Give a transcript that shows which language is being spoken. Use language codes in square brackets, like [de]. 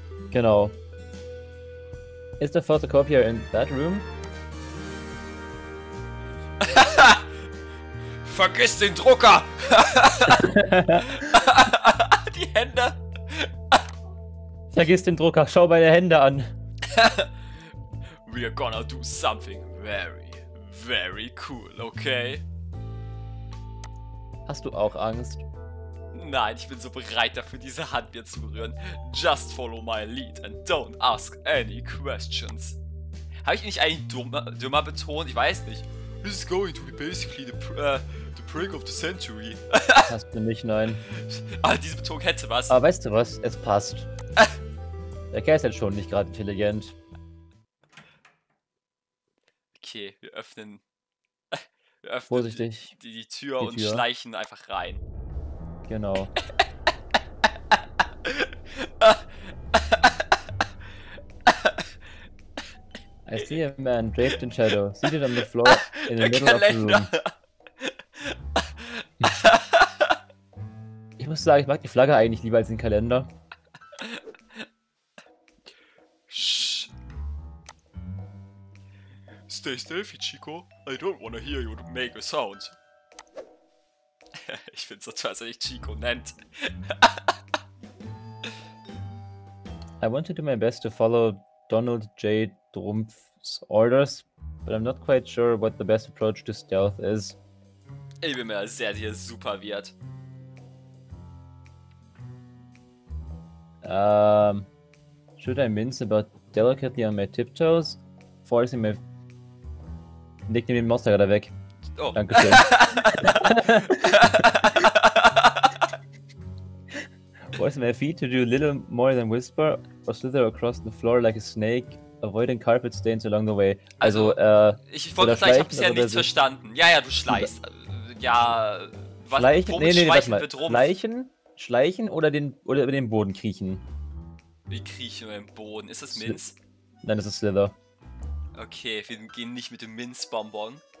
[en] Genau. Is the photocopier in that room? [de] Vergiss den Drucker! Die Hände! Vergiss den Drucker, schau bei der Hände an! [en] We're gonna do something very, very cool, okay? [de] Hast du auch Angst? Nein, ich bin so bereit dafür, diese Hand mir zu berühren. [en] Just follow my lead and don't ask any questions. [de] Habe ich nicht eigentlich dümmer betont? Ich weiß nicht. [en] This is going to be basically the prank of the century. [de] Passt für mich, nein. Aber diese Betonung hätte was. Aber weißt du was? Es passt. Der Kerl ist jetzt schon nicht gerade intelligent. Okay, wir öffnen. Vorsichtig. Die Tür und schleichen einfach rein. Genau. [en] I see a man draped in shadow, seated on the floor in the middle of the room. [de] Ich muss sagen, ich mag die Flagge eigentlich lieber als den Kalender. Shh. [en] Stay stealthy, Chico. I don't wanna hear you make a sound. [de] Ich find's so toll, dass er dich Chico nennt. [en] I want to do my best to follow Donald J. Trump's orders, but I'm not quite sure what the best approach to stealth is. [de] Ich bin mir sehr sicher, super wird. [en] Should I mince about delicately on my tiptoes? Forcing my... [de] Nick, nimm den Monster gerade weg. Oh. Dankeschön. [en] Force my feet to do little more than whisper or slither across the floor like a snake, avoiding carpet stains along the way. [de] Ich wollte sagen, ich hab bisher nichts verstanden. Ja, du schleichst. Ja, was Schleichen? Schleichen oder über den Boden kriechen? Wie kriechen über den Boden? Ist das Minz? Nein, das ist Slither. Okay, wir gehen nicht mit dem Minzbonbon.